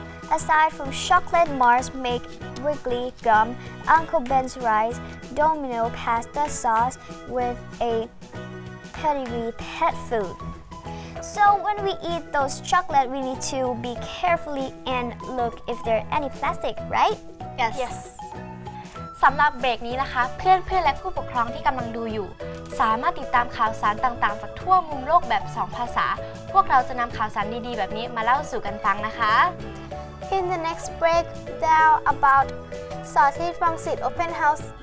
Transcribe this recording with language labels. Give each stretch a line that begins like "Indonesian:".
English: Aside from chocolate, Mars make Wrigley gum, Uncle Ben's rice,Domino pasta sauce with a pedigree pet food. So when we eat those chocolate, we need to be carefully and look if there are any plastic, right? Yes. Yes.
Thai: สำหรับเบรกนี้นะคะเพื่อนเพื่อนและผู้ปกครองที่กำลังดูอยู่สามารถติดตามข่าวสารต่างๆจากทั่วมุมโลกแบบ2ภาษาพวกเราจะนำข่าวสารดีๆแบบนี้มาเล่าสู่กันฟังนะคะ
English: In the next break, tell about Satit Rangsit Open House.